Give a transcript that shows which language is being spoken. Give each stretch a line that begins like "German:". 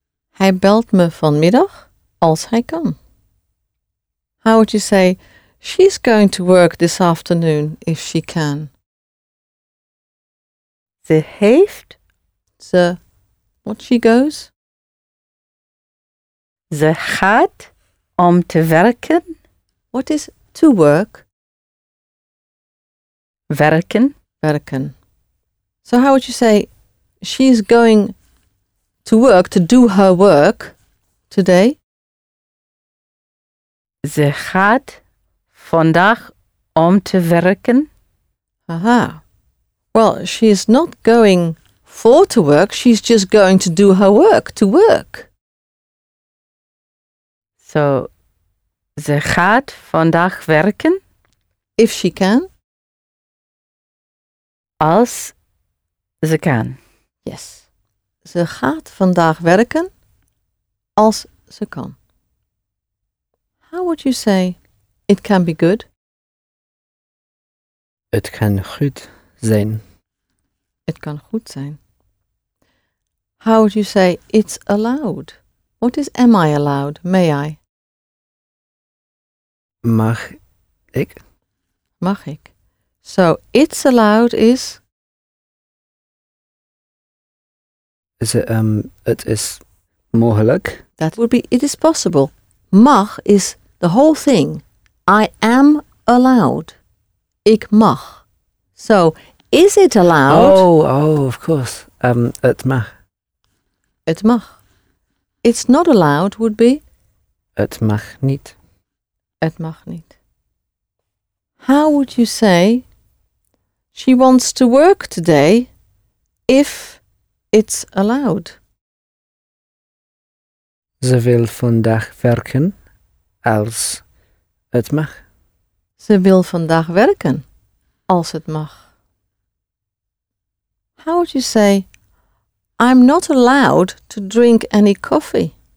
Dutch: Hij belt me vanmiddag als hij kan.
English: How would you say, she's going to work this afternoon if she can? So, what she goes?
Dutch: Ze gaat om te werken.
English: What is to work?
Dutch: Werken. Werken.
English: So how would you say she's going to work, to do her work today?
Dutch: Ze gaat vandaag om te werken.
English: Aha. Well, she's not going for to work, she's just going to do her work, to work.
Dutch: So, ze gaat vandaag werken.
English: If she can.
Dutch: Als ze kan.
English: Yes.
Dutch: Ze gaat vandaag werken als ze kan.
English: How would you say it can be good?
Dutch: Het kan goed zijn. Het kan goed zijn.
English: How would you say it's allowed? What is am I allowed? May I?
Dutch: Mag ik? Mag ik?
English: So it's allowed is? Is it,
Dutch: het is mogelijk?
English: That would be, it is possible. Mag is the whole thing. I am allowed.
Dutch: Ik mag.
English: So, is it allowed?
Dutch: Oh,
English: of course.
Dutch: Het mag. Het mag.
English: It's not allowed would be?
Dutch: Het mag niet. Het mag niet.
English: How would you say she wants to work today if it's allowed?
Dutch: Ze wil vandaag werken als het mag. Ze wil vandaag werken als het mag.
English: How would you say I'm not allowed to drink any coffee?